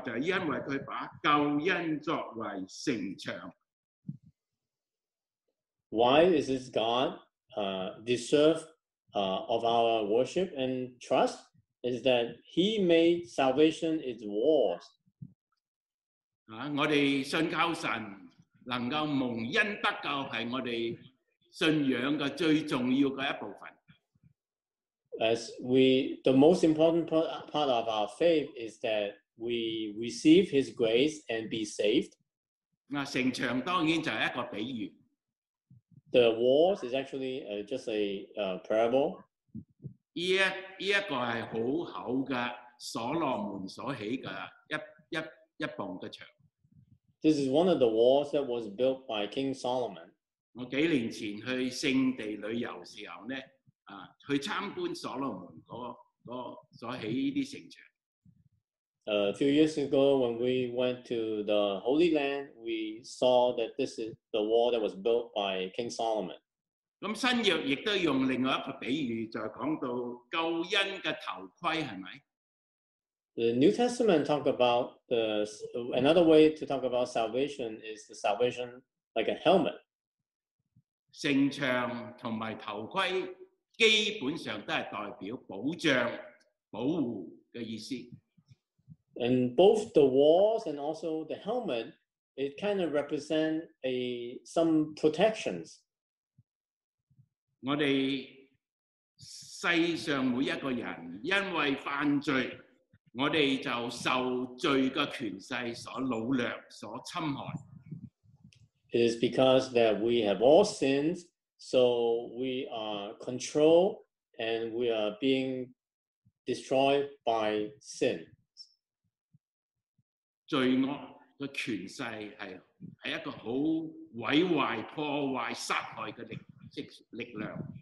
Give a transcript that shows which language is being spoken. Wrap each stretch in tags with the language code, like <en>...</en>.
<yue>就系因为佢把救恩作为城墙。</yue> <en>Why is this God deserve of our worship and trust? Is that He made salvation its walls?</en> <yue>我哋信靠神，能够蒙恩得救，系我哋信仰嘅最重要嘅一部分。</yue> <en>As we, the most important part of our faith is that we receive His grace and be saved.</en> <yue>城墙当然就系一个比喻。</yue> <en>The walls is actually just a parable.</en> <yue>呢一个系好厚嘅所罗门所起嘅一磅嘅墙。</yue> <en>This is one of the walls that was built by King Solomon.</en> <yue>我幾年前去聖地旅遊時候咧，啊，去參觀所羅門嗰所起依啲城牆。</yue> <en>A few years ago, when we went to the Holy Land, we saw that this is the wall that was built by King Solomon.</en> <yue>咁新約亦都用另外一個比喻，就係講到救恩嘅頭盔，係咪？</yue> <en>The New Testament talk about the another way to talk about salvation is the salvation like a helmet.</en> <yue>城墙同埋头盔基本上都系代表保障、保护嘅意思。</yue> <en>And both the walls and also the helmet, it kind of represent some protections.</en> <yue>我哋世上每一个人因为犯罪。我哋就受罪嘅权势所掳掠、所侵害。</yue> <en>It is because that we have all sins, so we are controlled and we are being destroyed by sin.</en> <yue>罪恶嘅权势系一个好毁坏、破坏、杀害嘅力量。</yue>